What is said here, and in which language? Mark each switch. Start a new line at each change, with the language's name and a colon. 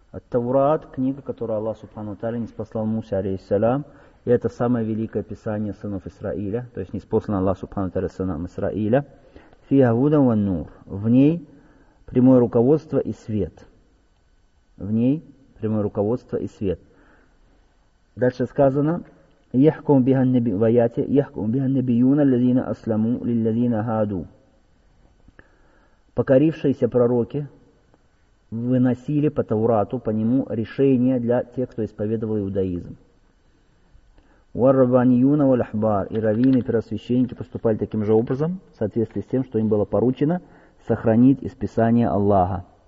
Russian: Таурат, книга, которую Аллах Субхану ва Тааля ниспослал Мусе, алейхиссалям, и это самое великое писание сынов Исраиля, то есть ниспослано Аллах Субхану ва Тааля сынам Исраиля.
Arabic: فيها هدى والنور.
Russian: В ней прямое руководство и свет. В ней прямое руководство и свет. Дальше сказано:
Arabic: يحكم بها النبيات يحكم بها النبيون الذين أسلموا للذين هادوا.
Russian: Покорившиеся пророки выносили по Таурату, по нему решения для тех, кто исповедовал иудаизм. Варбаньюна валахбар, и раввины, первосвященники поступали таким же образом, в соответствии с тем, что им было поручено сохранить из Писания Аллаха.